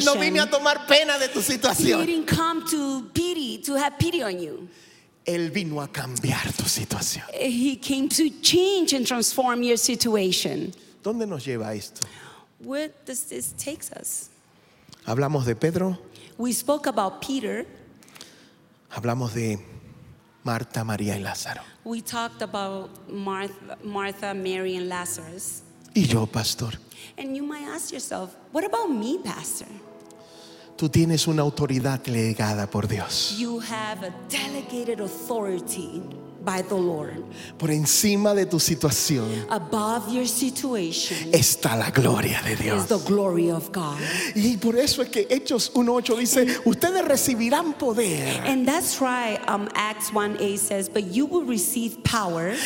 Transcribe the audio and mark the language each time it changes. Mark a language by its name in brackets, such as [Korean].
[Spanish] Él no vino a tomar pena de tu situación. [English] He didn't come to pity, to have pity on you. [Spanish] Él vino a cambiar tu situación. [English] He came to change and transform your situation. [Spanish] ¿Dónde nos lleva esto? [English] Where does this take us? [Spanish] Hablamos de Pedro. [English] We spoke about Peter. [Spanish] Hablamos de Marta, María y Lázaro. [English] We talked about Martha, Mary and Lazarus. [Spanish] Y yo, pastor. [English] And you might ask yourself, what about me, pastor? [Spanish] Tú tienes una autoridad delegada por Dios. [English] You have a delegated authority by the Lord. [Spanish] Por encima de tu situación, [English] above your situation, [Spanish] está la gloria de Dios. [English] Is the glory of God. [Spanish] Y por eso es que Hechos 1:8 dice, ustedes recibirán poder. [English] And that's why Acts 1:8 says, but you will receive power.